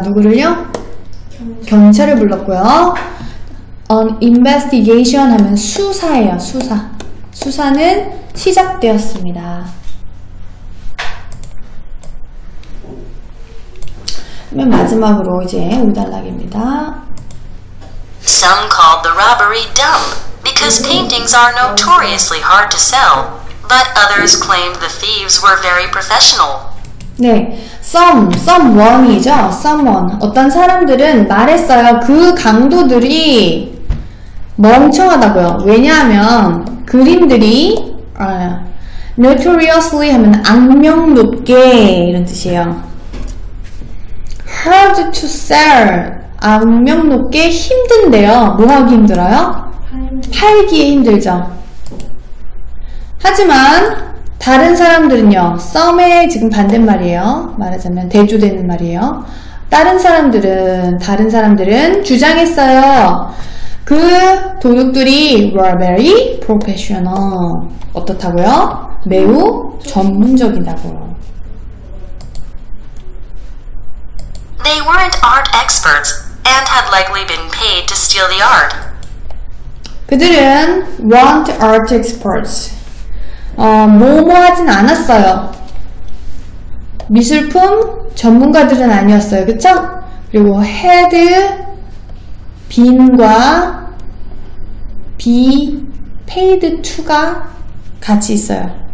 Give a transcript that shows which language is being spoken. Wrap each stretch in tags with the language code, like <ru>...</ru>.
<ko>누구를요? 경찰을 불렀고요.</ko> <en>An investigation</en> <ko>하면 수사예요. 수사. 수사는 시작되었습니다. 그러면 마지막으로 이제 우달락입니다.</ko> <en>Some called the robbery dumb because paintings are notoriously hard to sell, but others claimed the thieves were very professional.</en> <ko>네, someone이죠.</ko> <en>Someone.</en> <ko>어떤 사람들은 말했어요. 그 강도들이 멍청하다고요. 왜냐하면 그림들이 notoriously 하면 악명 높게 이런 뜻이에요.</ko> <en>Hard to sell.</en> <ko>악명 높게 힘든데요. 뭐하기 힘들어요? 팔기에 힘들죠. 하지만 다른 사람들은요. some 의 지금 반대말이에요. 말하자면 대조되는 말이에요. 다른 사람들은 주장했어요. 그 도둑들이</ko> <en>were very professional.</en> <ko>어떻다고요? 매우 전문적이다고요.</ko> <en>They weren't art experts and had likely been paid to steal the art.</en> <ko>그들은</ko> <en>weren't art experts.</en> <ko>뭐뭐 하진 않았어요. 미술품 전문가들은 아니었어요. 그쵸? 그리고 had been과 be paid to가 같이 있어요.</ko>